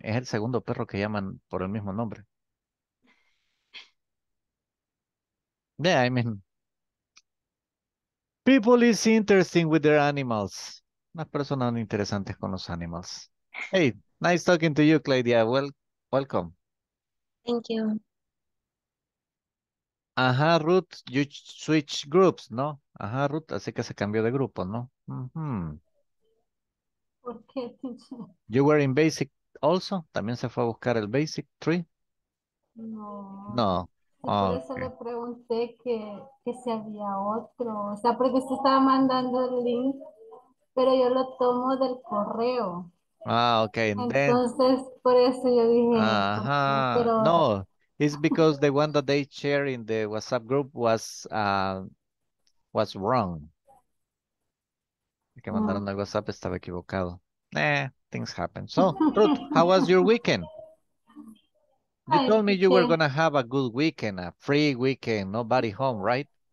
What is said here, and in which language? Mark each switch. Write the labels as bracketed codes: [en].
[es] Es el segundo perro que llaman por el mismo nombre. [en] Yeah, I mean, people is interesting with their animals. [es] Las personas son interesantes con los animals. [en] Hey, nice talking to you, [es] Claudia. [en] Well, welcome. Thank you. Ajá, Ruth, you switch groups, ¿no? [es] Ajá, Ruth, así que se cambió de grupo, ¿no? Mm-hmm. ¿Por qué? [en] You were in basic also? [es] ¿También se fue a buscar el basic tree? No. No. Por eso le pregunté que si había otro. O sea, porque usted estaba mandando el link, pero yo lo tomo del correo. Ah, okay. Entonces, por eso yo dije. Ajá. No. [en] It's because the one that they share in the WhatsApp group was wrong. [es] El que mandaron el WhatsApp estaba equivocado. [en] Things happen. So, Ruth, how was your weekend? You told me you were going to have a good weekend, a free weekend, nobody home, right?